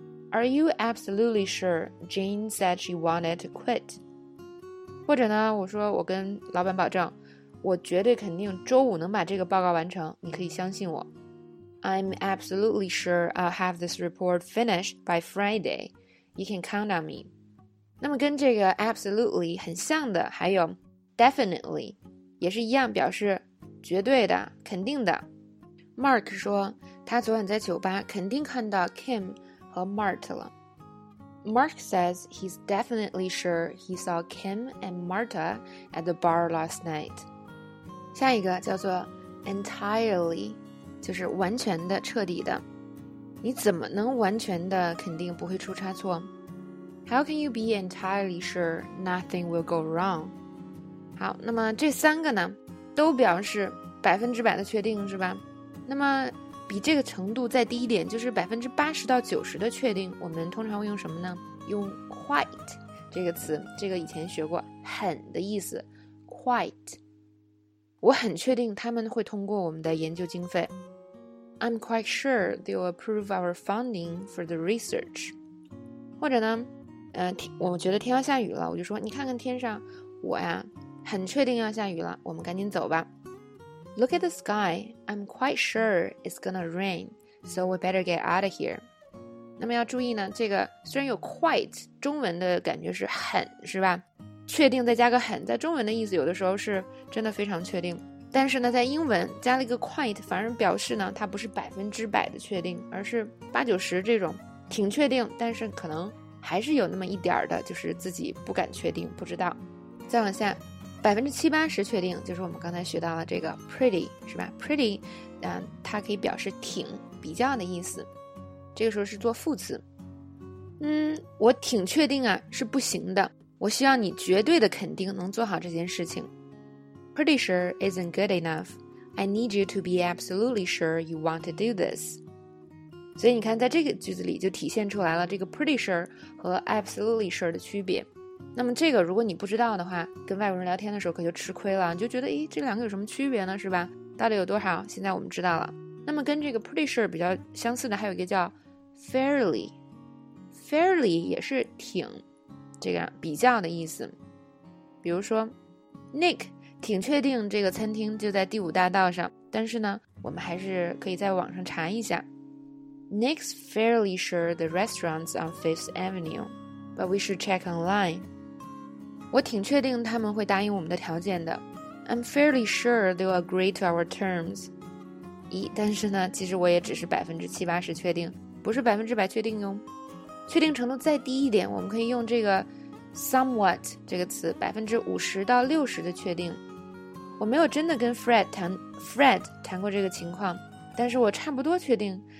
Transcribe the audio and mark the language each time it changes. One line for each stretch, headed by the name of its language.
English: Are you absolutely sure Jane said she wanted to quit？
Chinese: 或者呢，我说我跟老板保证，我绝对肯定周五能把这个报告完成，你可以相信我。
English: I'm absolutely sure I'll have this report finished by Friday， you can count on me。
Chinese: 那么跟这个 absolutely 很像的还有 definitely， 也是一样表示绝对的肯定的。 Mark 说他昨晚在酒吧肯定看到 Kim 和 Mart 了。
English: Mark says he's definitely sure he saw Kim and Marta at the bar last night。
Chinese: 下一个叫做 entirely， 就是完全的彻底的，你怎么能完全的肯定不会出差错？
English: How can you be entirely sure nothing will go wrong?
Chinese: 好，那么这三个呢，都表示百分之百的确定，是吧？那么比这个程度再低一点，就是80%-90%的确定，我们通常会用什么呢？用 quite 这个词，这个以前学过，很的意思， quite。我很确定他们会通过我们的研究经费。
English: I'm quite sure they'll approve our funding for the research.
Chinese: 或者呢？我觉得天要下雨了，我就说你看看天上，我呀很确定要下雨了，我们赶紧走吧。
English: Look at the sky, I'm quite sure it's gonna rain, so we better get out of here.
Chinese: 那么要注意呢，这个虽然有 quite 中文的感觉是很，是吧，确定再加个很，在中文的意思有的时候是真的非常确定，但是呢在英文加了一个 quite 反而表示呢它不是百分之百的确定，而是八九十这种挺确定，但是可能还是有那么一点儿的，就是自己不敢确定，不知道。再往下，70%-80%确定，就是我们刚才学到了这个 pretty， 是吧 ？pretty， 它可以表示挺、比较的意思。这个时候是做副词。我挺确定啊，是不行的。我需要你绝对的肯定，能做好这件事情。
English: Pretty sure isn't good enough. I need you to be absolutely sure you want to do this.
Chinese: 所以你看在这个句子里就体现出来了这个
English: pretty sure
Chinese: 和
English: absolutely sure
Chinese: 的区别。那么这个如果你不知道的话，跟外国人聊天的时候可就吃亏了，你就觉得，诶，这两个有什么区别呢，是吧，到底有多少，现在我们知道了。那么跟这个
English: pretty sure
Chinese: 比较相似的还有一个叫 fairly， fairly 也是挺，这个比较的意思。比如说 Nick 挺确定这个餐厅就在第五大道上，但是呢我们还是可以在网上查一下。
English: Nick's fairly sure the restaurant's on Fifth Avenue, but we should check online.
Chinese: 我挺确定他们会答应我们的条件的。
English: I'm fairly sure they'll agree to our terms.
Chinese: 但是呢，其实我也只是70%-80%确定，不是100%确定哟。确定程度再低一点，我们可以用这个 somewhat 这个词，50%-60%的确定。我没有真的跟 Fred 谈过这个情况，但是我差不多确定。